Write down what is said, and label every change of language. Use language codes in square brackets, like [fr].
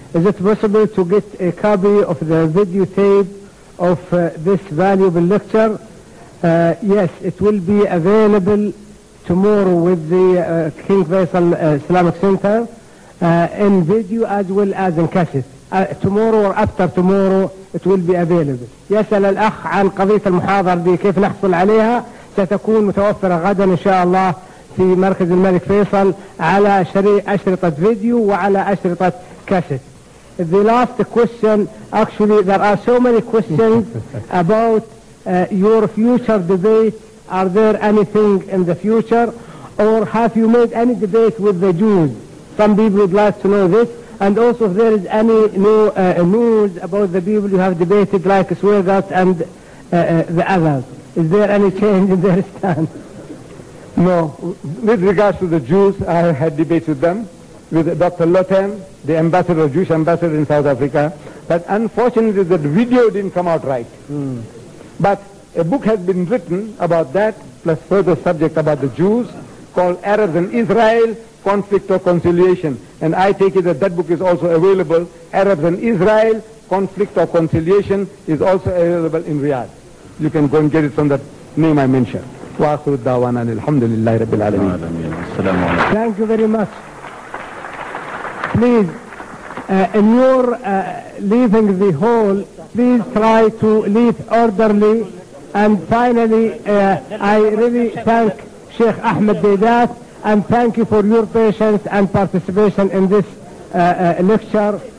[en] Is it possible to get a copy of the videotape of this valuable lecture? Yes, it will be available tomorrow with the King Faisal Islamic Center in video as well as in cassette. Tomorrow or after tomorrow it will be available. [ar] يسأل الأخ عن قضية المحاضرة دي كيف نحصل عليها, ستكون متوفرة غدا إن شاء الله في مركز الملك فيصل على أشرطة فيديو وعلى أشرطة كاسيت. [en] The last question, actually there are so many questions about your future debate. Are there anything in the future, or have you made any debate with the Jews? Some people would like to know this. And also if there is any new news about the people you have debated, like Swergast and the others. Is there any change in their stand? No. With regards to the Jews, I had debates with them, with Dr. Lotan, the ambassador, Jewish ambassador in South Africa. But unfortunately, the video didn't come out right. But a book has been written about that, plus further subject about the Jews, called Arabs and Israel, Conflict or Conciliation. And I take it that that book is also available. Arabs and Israel, Conflict or Conciliation is also available in Riyadh. You can go and get it from that name I mentioned. [ar] وآخر الدعوانا الحمد لله رب العالمين. [en] Thank you very much. Please, in your leaving the hall, please try to leave orderly. And finally, I really thank Sheikh Ahmed Deidat. And thank you for your patience and participation in this lecture.